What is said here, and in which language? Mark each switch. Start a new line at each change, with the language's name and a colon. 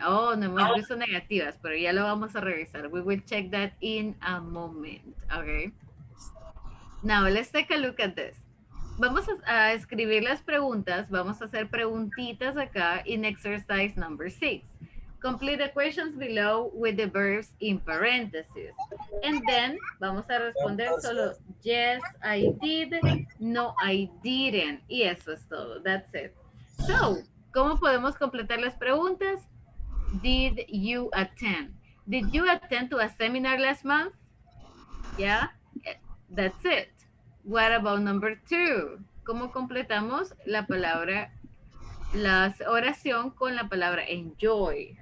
Spanish: Oh, no hemos visto negativas, pero ya lo vamos a revisar.
English: We will check that in a moment, okay? Now, let's take a look at this.
Spanish: Vamos a escribir las preguntas, vamos a hacer preguntitas acá
English: in exercise number 6. Complete the questions below with the verbs in parentheses.
Spanish: And then, vamos a responder solo,
English: yes, I did, no, I didn't.
Spanish: Y eso es todo,
English: that's it.
Spanish: So, ¿cómo podemos completar las preguntas?
English: Did you attend? Did you attend to a seminar last month? Yeah, that's it. What about number 2?
Spanish: ¿Cómo completamos la palabra la oración con la palabra enjoy?